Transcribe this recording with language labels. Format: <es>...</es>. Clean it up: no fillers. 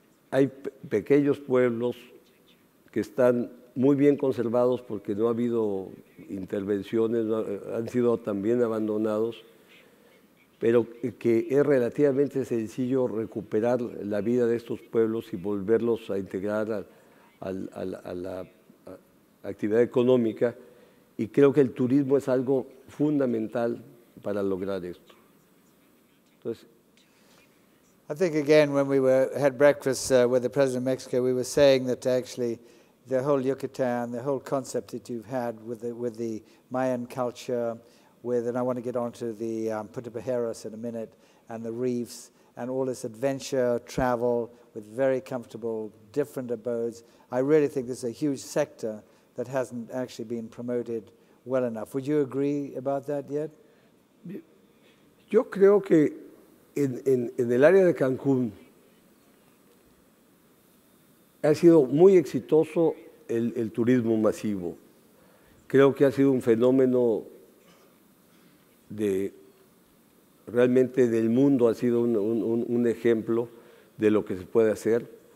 <es>hay pequeños pueblos que están muy bien conservados porque no ha habido intervenciones, han sido también abandonados, pero que es relativamente sencillo recuperar la vida de estos pueblos y volverlos a integrar a la actividad económica, y creo que el turismo es algo fundamental para lograr esto. Entonces,</es> <en>I think again when we had breakfast with the president of Mexico, we were saying that actually the whole Yucatan, the whole concept that you've had with the Mayan culture, and I want to get on to the Putaperheros in a minute, and the reefs, and all this adventure, travel, with very comfortable, different abodes. I really think this is a huge sector that hasn't actually been promoted well enough. Would you agree about that yet?</en> <es>Yo creo que en el área de Cancún ha sido muy exitoso el turismo masivo. Creo que ha sido un fenómeno realmente del mundo, ha sido un ejemplo de lo que se puede hacer.</es>